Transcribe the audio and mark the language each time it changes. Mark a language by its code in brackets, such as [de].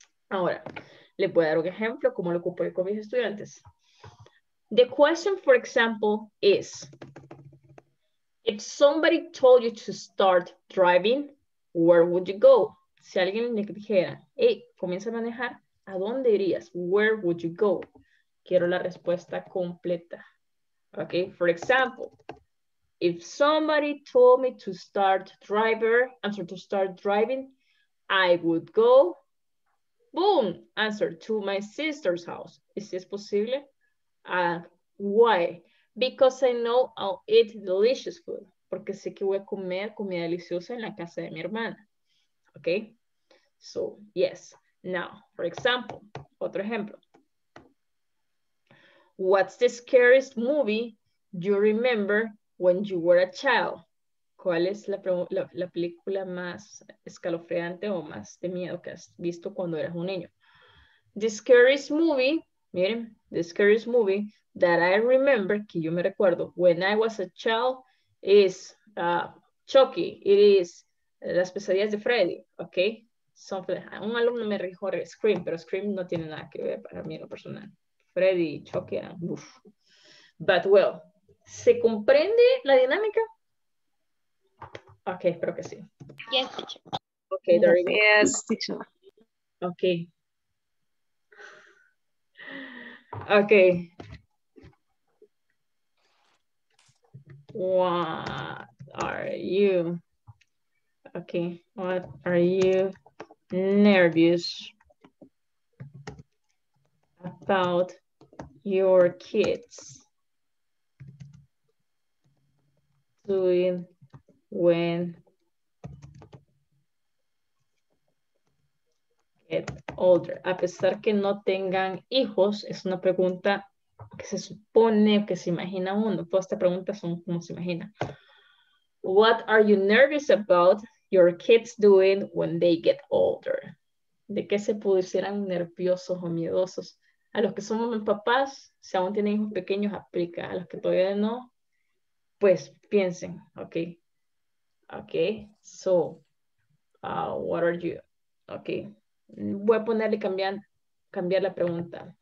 [es] Ahora, le voy a dar un ejemplo cómo lo ocupo yo con mis estudiantes. [en] The question, for example, is, if somebody told you to start driving, where would you go? [es] Si alguien le dijera, hey, comienza a manejar, ¿a dónde irías? [en] Where would you go? [es] Quiero la respuesta completa. [en] Okay, for example, if somebody told me to start driving, I would go. Boom, answer to my sister's house. Is this possible? Why? Because I know I'll eat delicious food. [es] Porque sé que voy a comer comida deliciosa en la casa de mi hermana. [en] Okay? So, yes. Now, for example, [es] otro ejemplo. [en] What's the scariest movie you remember when you were a child? [es] ¿Cuál es la película más escalofriante o más de miedo que has visto cuando eras un niño? [en] The scariest movie, [es] miren, [en] the scariest movie that I remember, [es] que yo me recuerdo, [en] when I was a child, is Chucky. It is Las Pesadillas de Freddy, ¿ok? [es] Un alumno me dijo Scream, pero Scream no tiene nada que ver para mí en lo personal. Freddy y Chucky eran, uff. [en] But well, [es] ¿se comprende la dinámica? Okay, espero que sí. [en] Yes, teacher. Okay, there you go. Yes, teacher. Okay. Okay. What are you? Okay, what are you nervous about your kids doing when get older? [es] A pesar que no tengan hijos, es una pregunta que se supone que se imagina uno. Todas estas preguntas son como se imagina. [en] What are you nervous about your kids doing when they get older? [es] ¿De qué se pudieran nerviosos o miedosos? A los que somos papás, si aún tienen hijos pequeños, aplica. A los que todavía no, pues piensen, ¿ok? [en] Okay, so what are you? [es] Okay, voy a ponerle cambiar la pregunta.